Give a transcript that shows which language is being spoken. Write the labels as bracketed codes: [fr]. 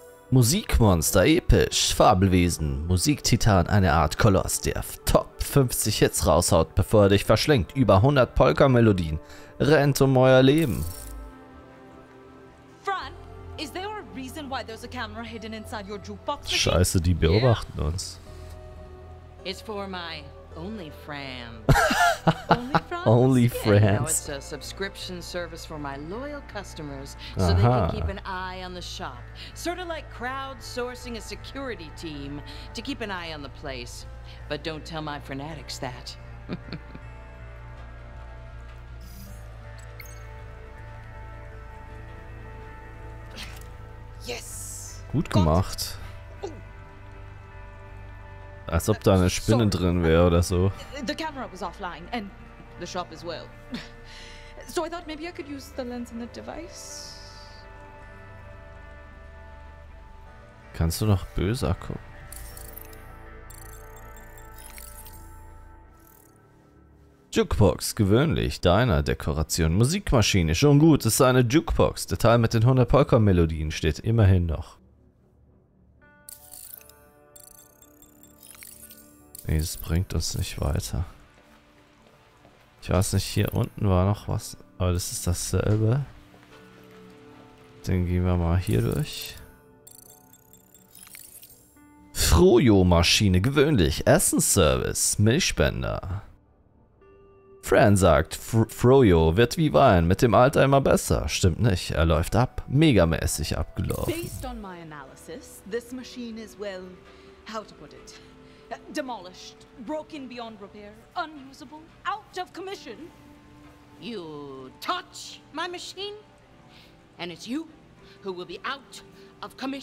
[de] Musikmonster, episch, Fabelwesen, Musiktitan, eine Art Koloss, der Top 50 Hits raushaut, bevor er dich verschlingt. Über 100 Polka-Melodien. Rennt um euer Leben. [en] Fran, is there a reason why there's a camera hidden inside your jukebox? [de] Scheiße, die beobachten uns. [en] It's for my only Fran. Only Fran? Only Fran's. Yeah, no, it's a subscription service for my loyal customers, so uh-huh. They can keep an eye on the shop. Sort of like crowdsourcing a security team to keep an eye on the place. But don't tell my fanatics that. Ah. [de] Gut gemacht. Als ob da eine Spinne drin wäre oder so. [en] The camera was offline and the shop as well. So I thought maybe I could use the lens in the device. [de] Kannst du noch böser gucken? Jukebox, gewöhnlich, deiner Dekoration, Musikmaschine, schon gut, es ist eine Jukebox. Der Teil mit den 100 Polka-Melodien steht immerhin noch. Nee, das bringt uns nicht weiter. Ich weiß nicht, hier unten war noch was, aber das ist dasselbe. Dann gehen wir mal hier durch. Frojo-Maschine, gewöhnlich, Essensservice, Milchspender. Fran sagt, Frojo wird wie Wein, mit dem Alter immer besser. Stimmt nicht, er läuft ab, megamäßig abgelaufen. [en] Based on my analysis, this machine is well, how to put it, demolished, broken beyond repair, unusable, out of commission. You touch my machine, and it's you who will be out of commission.